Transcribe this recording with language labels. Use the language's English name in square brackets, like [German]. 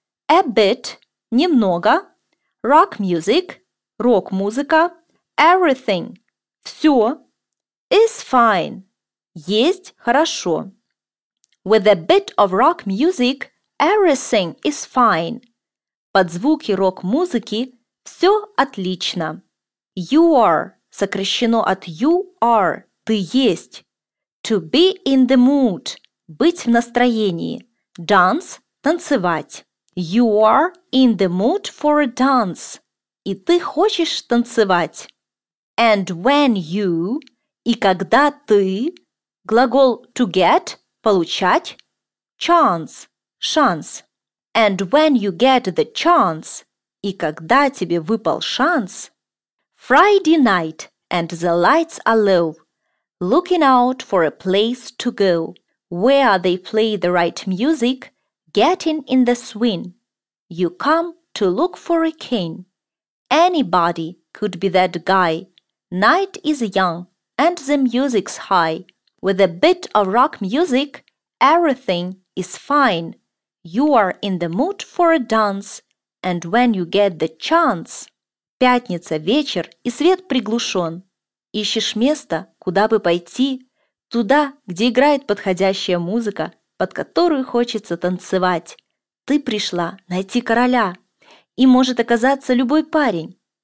[English] A bit – немного. Rock music – рок-музыка. Everything – [Russian] все. Is fine – есть хорошо. [English] With a bit of rock music, everything is fine. [Russian] Под звуки рок-музыки все отлично. [English] You are [Russian] – сокращено от [English] you are [Russian] – ты есть. [English] To be in the mood – [Russian] быть в настроении. [English] Dance – танцевать. You are in the mood for a dance. [Russian] И ты хочешь танцевать. [English] And when you, [Russian] И когда ты, глагол [English] to get, [Russian] получать, chance, шанс. [English] And when you get the chance, [Russian] и когда тебе выпал шанс, [English] Friday night and the lights are low, looking out for a place to go, where they play the right music, getting in the swing. You come to look for a king. Anybody could be that guy. Night is young and the music's high. With a bit of rock music, everything is fine. You are in the mood for a dance, and when you get the chance. [Russian] Пятница, вечер, и свет приглушен. Ищешь место, куда бы пойти? Туда, где играет подходящая музыка, под которую хочется танцевать. Ты пришла найти короля, и может оказаться любой парень.